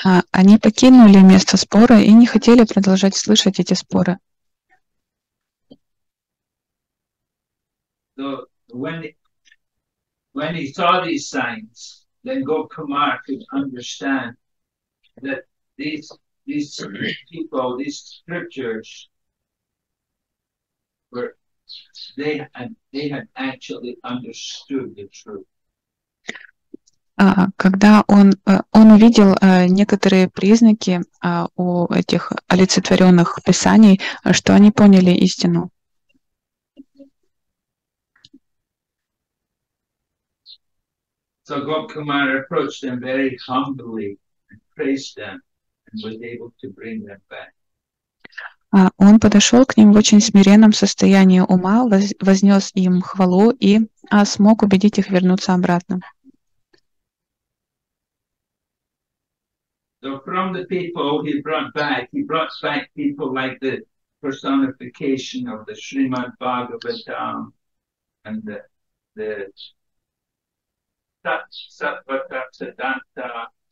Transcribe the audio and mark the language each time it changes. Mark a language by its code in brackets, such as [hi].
[ru] Они покинули место спора и не хотели продолжать слышать эти споры. [en] So when he saw these signs, then Gop Kumar could understand that these people, these scriptures were they had actually understood the truth. [ru] Когда он увидел некоторые признаки у этих олицетворенных писаний, что они поняли истину. [en] So Gop Kumar approached them very humbly. Praised them and was able to bring them back. [ru] Он подошел к ним в очень смиренном состоянии ума, вознес им хвалу и смог убедить их вернуться обратно. [en] So from the people he brought back people like the personification of the Srimad Bhagavatam and the Sattva Tatsadanta.